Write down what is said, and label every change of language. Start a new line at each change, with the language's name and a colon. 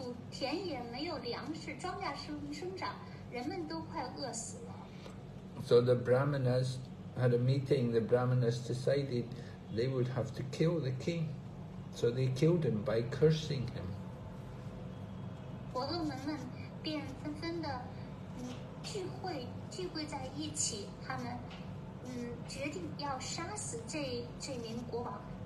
Chinese: 田野没有粮食，庄稼生长，人们都快饿死了。So
English: the Brahmanas had a meeting. The Brahmanas decided they would have to kill the king, so they killed him by cursing him.
Chinese: 婆罗门们便纷纷的聚会在一起，他们决定要杀死这名国王。